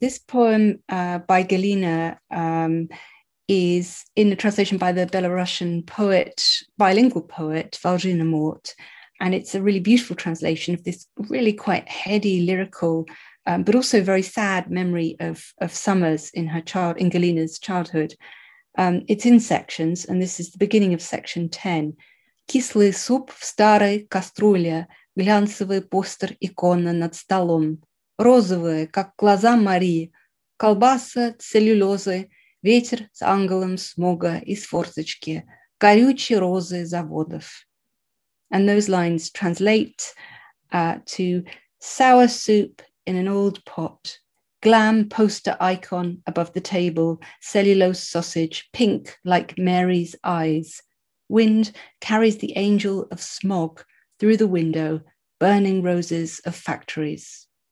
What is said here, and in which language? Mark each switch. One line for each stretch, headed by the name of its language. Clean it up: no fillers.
English: This poem by Galina is in a translation by the Belarusian poet, bilingual poet, Vagina Mord. And it's a really beautiful translation of this really quite heady, lyrical, but also very sad memory of summers in her child, in Galina's childhood. It's in sections, and this is the beginning of section 10.
Russian: Кислый суп в старой кастрюле, глянцевый постер икона над столом, розовые, как глаза Марии, колбаса целлюлозы, ветер с ангелом смога из форточки, горючие розы заводов.
English: And those lines translate to sour soup in an old pot, glam poster icon above the table, cellulose sausage, pink like Mary's eyes. Wind carries the angel of smog through the window, burning roses of factories.